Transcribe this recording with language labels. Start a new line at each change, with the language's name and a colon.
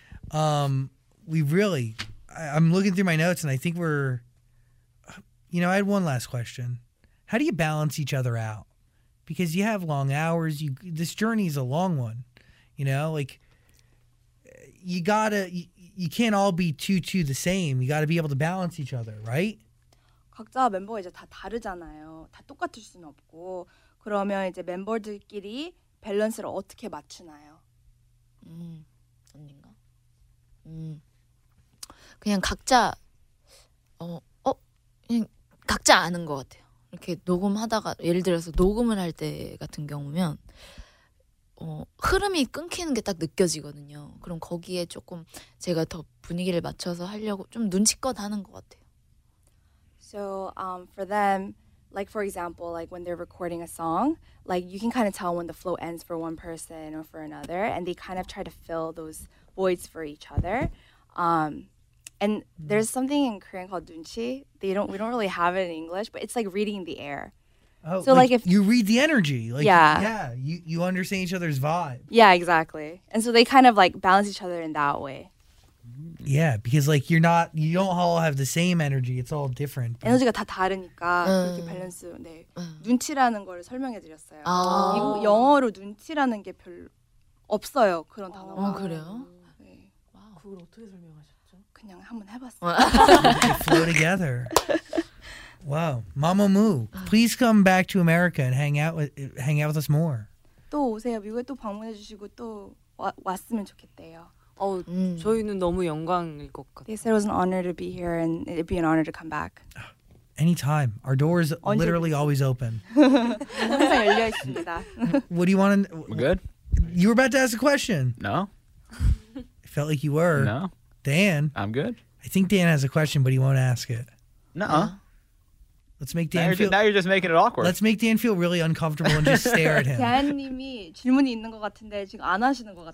English: I'm looking through my notes and I think we're, you know, I had one last question. How do you balance each other out? Because you have long hours. This journey is a long one, you know, like you can't all be too the same. You got to be able to balance each other, right?
Korean: 각자 멤버 이제 다 다르잖아요. 다 똑같을 수는 없고. 그러면 이제 멤버들끼리 밸런스를 어떻게 맞추나요? 언니인가? 그냥 각자 그냥 각자 아는 것 같아요. 이렇게 녹음하다가 예를 들어서 녹음을 할 때 같은 경우면 흐름이 끊기는 게 딱 느껴지거든요. 그럼 거기에 조금 제가 더 분위기를 맞춰서 하려고 좀 눈치껏 하는 것 같아요.
English: So for them, like for example, like when they're recording a song, like you can kind of tell when the flow ends for one person or for another, and they kind of try to fill those voids for each other. And there's something in Korean called 눈치. We don't really have it in English, but it's like reading the air. Oh, so like if you read the energy, like you understand each other's vibe. Yeah, exactly. And so they kind of like balance each other in that way. Yeah, because like you don't all have the same energy. It's all different.
Korean: 에너지가 다 다르니까 그렇게 밸런스. 네, 눈치라는 거를 설명해 드렸어요. 아. 영어로 눈치라는 게 별로 없어요. 그런 단어가. 그래요? 네. 그걸 어떻게 설명하셨죠? 그냥 한번 해봤어요.
English: Flow together. Wow, Mamamoo, please come back to America and hang out with us more.
Korean: 또 오세요. 미국에 또 방문해 주시고 또 왔으면 좋겠대요. 저희는 너무 영광일 것 같아요.
English: They said it was an honor to be here and it'd be an honor to come back. Anytime. Our door is literally always open.
Korean: 항상 열려 있습니다.
English: What do you want to... We're good. You were about to ask a question. No. I felt like you were. No. Dan. I'm good. I think Dan has a question, but he won't ask it. No. Let's make Dan feel... Now you're just making it awkward. Let's make Dan feel really uncomfortable and just stare at him.
Korean: Dan님이 질문이 있는 것 같은데 지금 안 하시는 것 같아요.